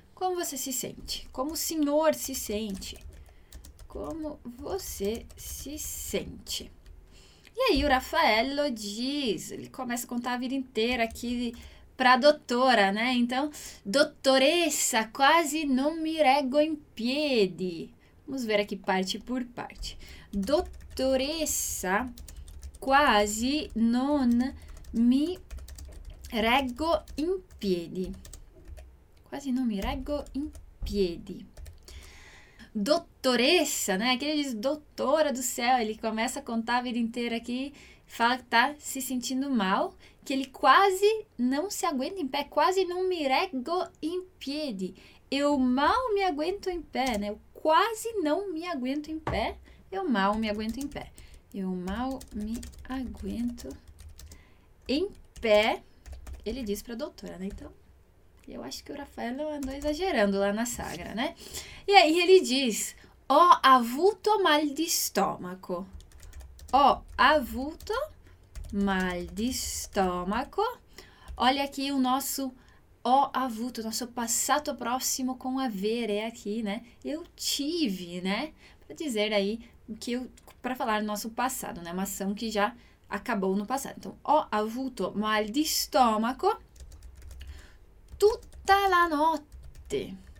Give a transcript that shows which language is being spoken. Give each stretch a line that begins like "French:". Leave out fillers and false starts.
Portuguese: Como você se sente? Como o senhor se sente? Como você se sente? E aí, o Raffaello diz, ele começa a contar a vida inteira aqui. Para a doutora, né? Então,
Italian: doutoressa, quasi non mi reggo in piedi.
Portuguese: Vamos ver aqui parte por parte.
Italian: Doutoressa, quasi non mi reggo in piedi. Quasi non mi reggo in piedi.
Portuguese: Doutoressa, né? Aqui ele diz doutora do céu, ele começa a contar a vida inteira aqui, fala que tá se sentindo mal. Que ele quase não se aguenta em pé, quase
Italian: non mi reggo in piedi.
Portuguese: Eu mal me aguento em pé, né? Eu quase não me aguento em pé. Eu mal me aguento em pé. Eu mal me aguento em pé. Ele diz para a doutora, né? Então, Eu acho que o Raffaello andou exagerando lá na sagra, né? E aí ele diz:
Italian: ho avuto mal di stomaco. Ho avuto mal di stomaco.
Portuguese: Olha aqui o nosso
Italian: ho avuto,
Portuguese: nosso passato próximo com aver é aqui, né? Eu tive, né? Para dizer aí que eu, para falar no nosso passado, né? Uma ação que já acabou no passado.
Italian: Então, ho avuto mal di stomaco tutta la notte.